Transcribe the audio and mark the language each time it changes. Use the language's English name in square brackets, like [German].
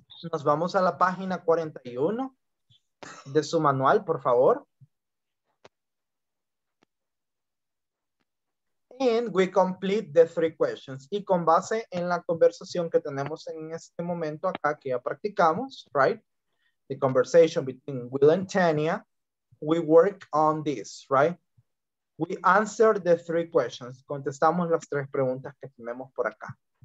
[Spanish] Nos vamos a la página 41 de su manual, por favor. [English] And we complete the three questions. [Spanish] Y con base en la conversación que tenemos en este momento acá, que ya practicamos, right? [English] The conversation between Will and Tania, we work on this, right? We answer the three questions. [Spanish] Contestamos las tres preguntas que tenemos por acá.